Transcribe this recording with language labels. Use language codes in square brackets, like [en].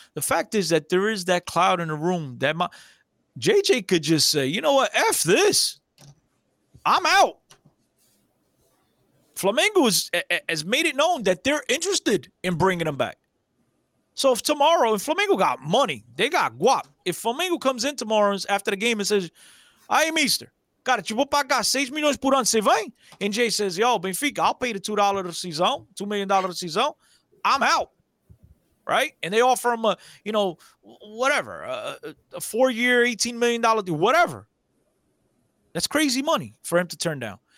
[en] The fact is that there is that cloud in the room that my JJ could just say, you know what, F this. I'm out. Flamengo has made it known that they're interested in bringing him back. So if tomorrow, if Flamengo got money, they got guap. If Flamengo comes in tomorrow after the game and says, aye, mister, [pt] cara, te vou pagar 6 milhões por ano, você vem? [en] And Jay says, yo, Benfica, I'll pay the $2 season, $2 million season. I'm out. right? And they offer him a, you know, whatever, a 4-year, $18 million, whatever. That's crazy money for him to turn down.